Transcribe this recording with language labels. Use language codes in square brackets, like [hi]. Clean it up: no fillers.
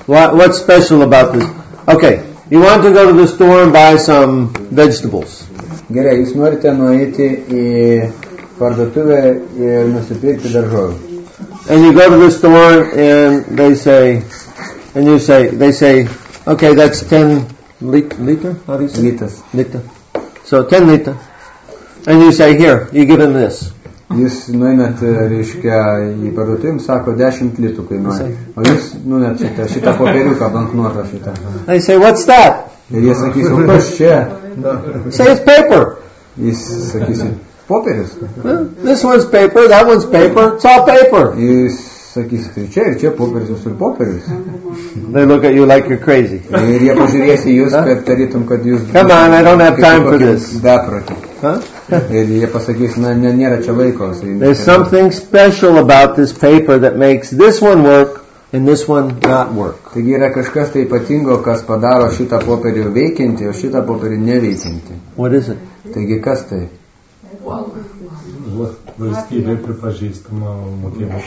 [en] What's special about this? Okay. You want to go to the store and buy some vegetables. [lt] Gerai, jūs norite nueiti į parduotuvę ir nusipirkti daržovių. [en] And you go to the store and they say, and you say, they say, okay, that's 10 liter, how do you say? [lt] Litas. [en] Liter. So 10 liter. And you say, here, you give them this. [lt] Jūs nuėmėt, reiškia, į parduotuvę, sako, 10 litų kainuoja. O jūs nuėmėt šitą popieriuką, banknotą šitą. [en] They say, what's that? [lt] Ir jie sakys, o kas čia? [en] Say, it's paper. [lt] Jis sakys, popierius. [en] This one's paper, that one's paper, it's all paper. [lt] Jis sakys, tai čia popierius, visur popierius. [en] They look at you like you're crazy. [lt] Ir jie pažiūrės į jūs, kad tarytum, kad jūs... [en] Come on, I don't have time for this. [lt] Beprotį. Ir jie pasakys, na, nėra čia laiko. [en] There's something special about this paper that makes this one work and this one not work. [lt] Taigi yra kažkas tai ypatingo, kas padaro šitą popierį veikinti, o šitą popierį neveikinti. What is it? Taigi kas tai? Valstybė pripažįstama mokėjimo